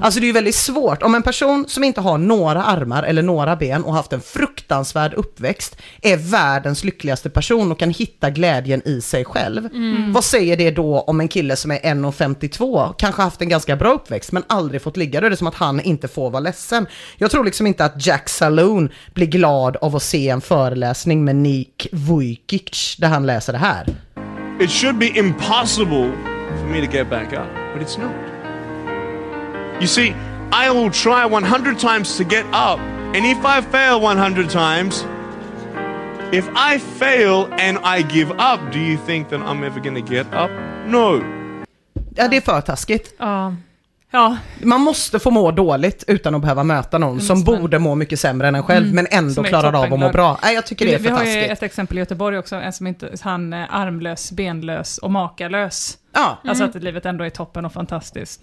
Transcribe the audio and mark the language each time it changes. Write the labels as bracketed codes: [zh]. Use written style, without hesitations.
[sv] Alltså det är ju väldigt svårt. Om en person som inte har några armar eller några ben och haft en fruktansvärd uppväxt är världens lyckligaste person och kan hitta glädjen i sig själv. Mm. Vad säger det då om en kille som är 1,52, kanske haft en ganska bra uppväxt men aldrig fått ligga? Då är det som att han inte får vara ledsen. Jag tror liksom inte att Jack Salone blir glad av att se en föreläsning med Nick Vujicic där han läser det här. [en] It should be impossible for me to get back up, but it's not. You see, I will try 100 times to get up, and if I fail 100 times, if I fail and I give up, do you think that I'm ever going to get up? No. [sv] Ja, det är för taskigt. Ja. Man måste få må dåligt utan att behöva möta någon som borde må mycket sämre än en själv, men ändå klarar av att må bra. Nej, jag tycker det är för taskigt. Vi har ju ett exempel i Göteborg också, en som inte, han är armlös, benlös och makalös. Ja. Alltså att livet ändå är toppen och fantastiskt.